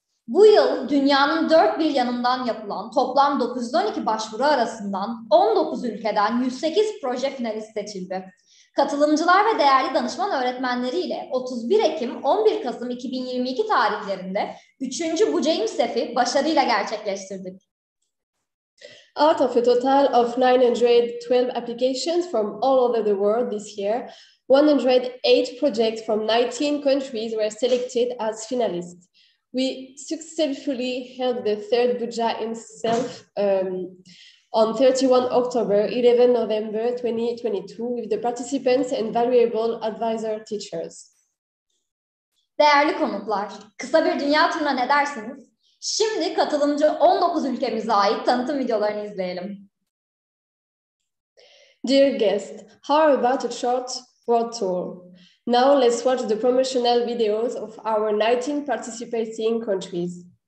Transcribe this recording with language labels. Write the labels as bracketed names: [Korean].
[Turkish] Bu yıl dünyanın dört bir yanından yapılan toplam 912 başvuru arasından 19 ülkeden 108 proje finalist seçildi. Katılımcılar ve değerli danışman öğretmenleriyle 31 Ekim 11 Kasım 2022 tarihlerinde 3. Buca İMSEP'i başarıyla gerçekleştirdik. [English] Out of a total of 912 applications from all over the world this year, 108 projects from 19 countries were selected as finalists. We successfully held the third Buca IMSEP on 31 October, 11 November 2022 with the participants and valuable advisor teachers. [Turkish] Değerli konuklar, kısa bir dünya turuna ne dersiniz? Şimdi katılımcı 19 ülkemize ait tanıtım videolarını izleyelim. [English] Dear guests, how about a short world tour? Now let's watch the promotional videos of our 19 participating countries.